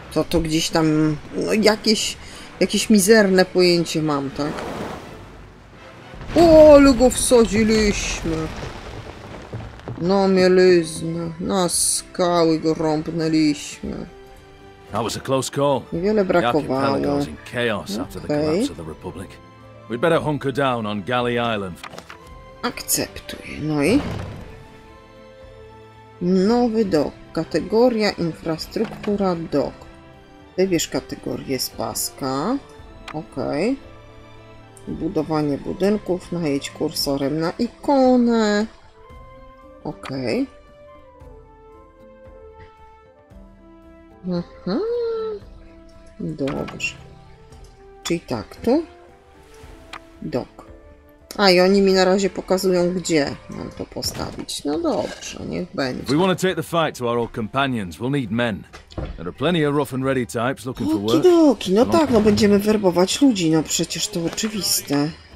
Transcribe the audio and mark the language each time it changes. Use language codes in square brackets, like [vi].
[pl] To gdzieś tam, no jakieś mizerne pojęcie mam, tak? O, ale go wsadziliśmy! No mieliśmy, na skały go rąbnęliśmy. [en] That was a close call. [pl] Niewiele brakowało. [en] The archipelago was in chaos after the collapse of the Republic. We'd better hunker down on Galley Island. [pl] Akceptuj. No i? Nowy dok. Kategoria infrastruktura dok. Wybierz kategorię z paska. Okej. Okay. Budowanie budynków. Najedź kursorem na ikonę. Okej. Okay. Dobrze. Czyli tak, tu? Dok. A, i oni mi na razie pokazują, gdzie mam to postawić. No dobrze, niech będzie. [en] We want to take the fight to our old companions. We'll need men. There are plenty of rough and ready types looking for work. [pl] Okidoki, no tak, no będziemy werbować ludzi, no przecież to oczywiste.